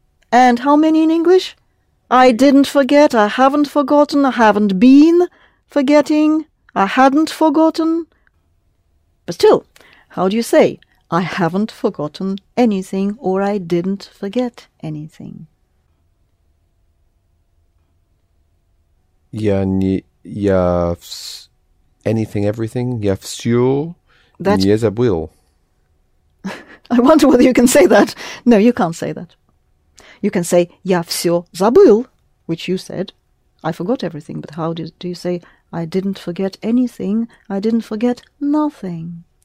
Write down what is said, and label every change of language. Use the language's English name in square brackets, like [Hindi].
[English] And how many in English? I didn't forget, I haven't forgotten, I haven't been forgetting, I hadn't forgotten. But still, how do you say, I haven't forgotten anything or I didn't forget anything? [Russian] Я не, я вс, [English] anything, everything, [Russian] я всё не забыл. [English] I wonder whether you can say that. No, you can't say that. You can say, [Russian] я всё забыл, [English] which you said, I forgot everything. But how do you say, I didn't forget anything, I didn't forget nothing?